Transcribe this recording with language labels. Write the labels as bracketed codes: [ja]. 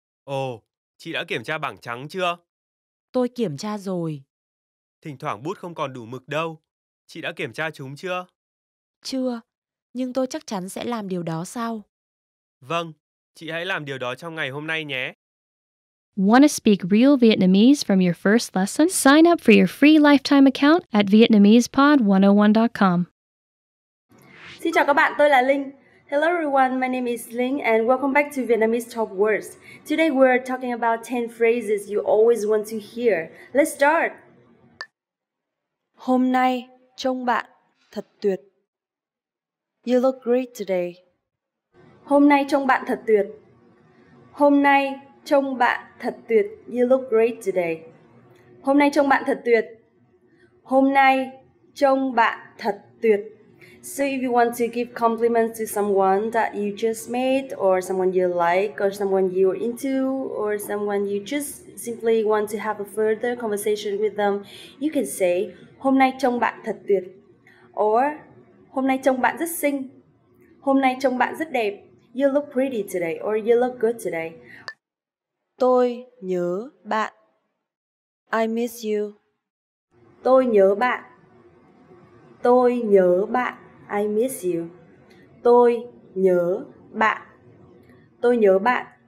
[vi] Ồ, chị đã kiểm tra bảng trắng chưa? Tôi kiểm tra rồi. Thỉnh thoảng bút không còn đủ mực đâu. Chị đã kiểm tra chúng chưa? Chưa, nhưng tôi chắc chắn sẽ làm điều đó sau. Vâng, chị hãy làm điều đó trong ngày hôm nay nhé. [en] Want to speak real Vietnamese from your first lesson? Sign up for your free lifetime account at VietnamesePod101.com. [vi] Xin chào các bạn, tôi là Linh. [en] Hello everyone, my name is Linh and welcome back to Vietnamese Top Words. Today we're talking about 10 phrases you always want to hear. Let's start! [vi] Hôm nay, Trông bạn thật tuyệt. [en] You look great today. [vi] Hôm nay trông bạn thật tuyệt. Hôm nay trông bạn thật tuyệt. [en] You look great today. [vi] Hôm nay trông bạn thật tuyệt. Hôm nay trông bạn thật tuyệt. [en] So if you want to give compliments to someone that you just met, or someone you like, or someone you're into, or someone you just simply want to have a further conversation with them, you can say, [vi] hôm nay trông bạn thật tuyệt. Or, hôm nay trông bạn rất xinh. Hôm nay trông bạn rất đẹp. [en] You look pretty today, or you look good today. [vi] Tôi nhớ bạn. [en] I miss you. [vi] Tôi nhớ bạn. Tôi nhớ bạn. [en] I miss you. [vi] Tôi nhớ bạn. Tôi nhớ bạn.